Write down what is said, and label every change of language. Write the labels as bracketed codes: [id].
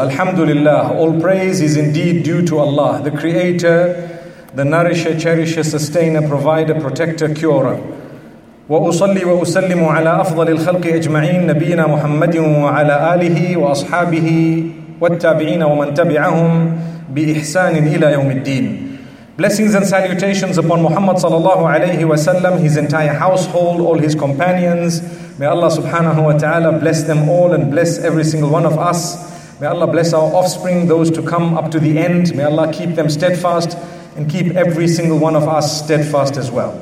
[en] Alhamdulillah, all praise is indeed due to Allah, the creator, the nourisher, cherisher, sustainer, provider, protector, curer. [ar] وأصلي وأسلم على أفضل الخلق أجمعين نبينا محمد وعلى آله وأصحابه والتابعين ومن تبعهم بإحسان إلى يوم الدين. [en] Blessings and salutations upon Muhammad sallallahu alayhi wa sallam, his entire household, all his companions. May Allah subhanahu wa ta'ala bless them all and bless every single one of us. May Allah bless our offspring, those to come up to the end. May Allah keep them steadfast and keep every single one of us steadfast as well.